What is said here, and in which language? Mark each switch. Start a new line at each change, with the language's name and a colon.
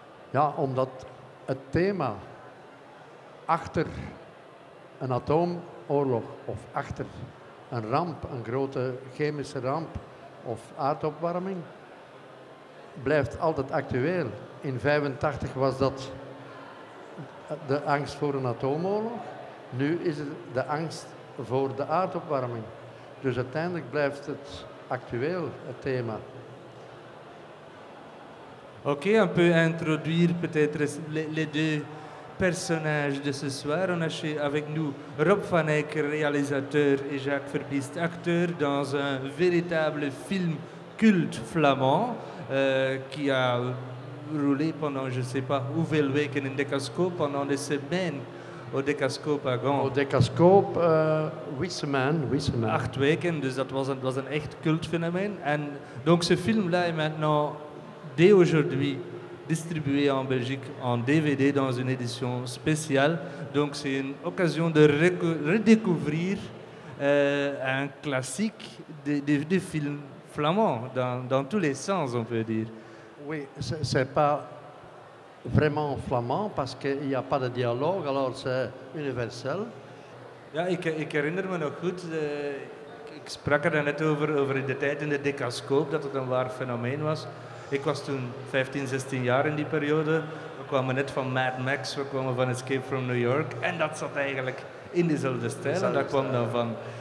Dutch: Ja, omdat het thema achter een atoomoorlog of achter een ramp, een grote chemische ramp of aardopwarming, blijft altijd actueel. In 1985 was dat de angst voor een atoomoorlog. Nu is het de angst voor de aardopwarming. Dus uiteindelijk blijft het actueel, het thema.
French: Ok, on peut introduire peut-être les deux personnages de ce soir. On a avec nous Rob Van Eyck, réalisateur, et Jacques Verbiest, acteur dans un véritable film culte flamand qui a roulé pendant, je ne sais pas, où Velvec et Décascope pendant des semaines au Décascope à Gand. Au Décascope, 8 semaines.
Dutch: 8 weken, dus dat was een echt
French: culte phénomène. En donc ce film-là est maintenant, dès aujourd'hui, distribué en Belgique en DVD dans une édition spéciale. Donc c'est une occasion de redécouvrir un classique de film flamand, dans tous les sens, on peut dire. Oui, c'est pas vraiment flamand parce qu'il n'y a pas de dialogue, alors c'est universel.
Dutch: Ja, ik herinner me nog goed. Ik sprak er net over de tijd in de Décascope, dat het een waar fenomeen was. Ik was toen 15, 16 jaar in die periode. We kwamen net van Mad Max, we kwamen van Escape from New York. En dat zat eigenlijk in dezelfde stijl. En dat kwam dan van.